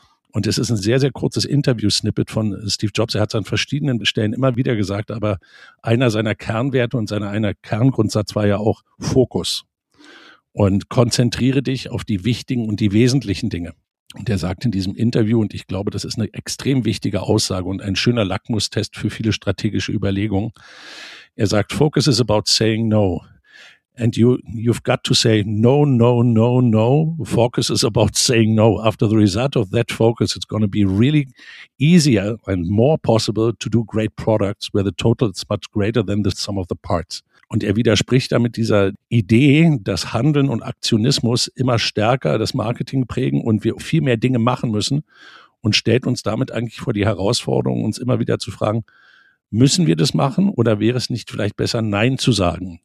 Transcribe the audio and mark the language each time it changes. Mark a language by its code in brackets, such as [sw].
[de] Und es ist ein sehr, sehr kurzes Interview-Snippet von Steve Jobs. Er hat es an verschiedenen Stellen immer wieder gesagt, aber einer seiner Kernwerte und einer Kerngrundsatz war ja auch Fokus. Und konzentriere dich auf die wichtigen und die wesentlichen Dinge. Und er sagt in diesem Interview, und ich glaube, das ist eine extrem wichtige Aussage und ein schöner Lackmustest für viele strategische Überlegungen. Er sagt, [en] Focus is about saying no. And you've got to say no, no, no, no. Focus is about saying no. After the result of that focus, it's going to be really easier and more possible to do great products where the total is much greater than the sum of the parts. [de] Und er widerspricht damit dieser Idee, dass Handeln und Aktionismus immer stärker das Marketing prägen und wir viel mehr Dinge machen müssen, und stellt uns damit eigentlich vor die Herausforderung, uns immer wieder zu fragen, müssen wir das machen oder wäre es nicht vielleicht besser, Nein zu sagen?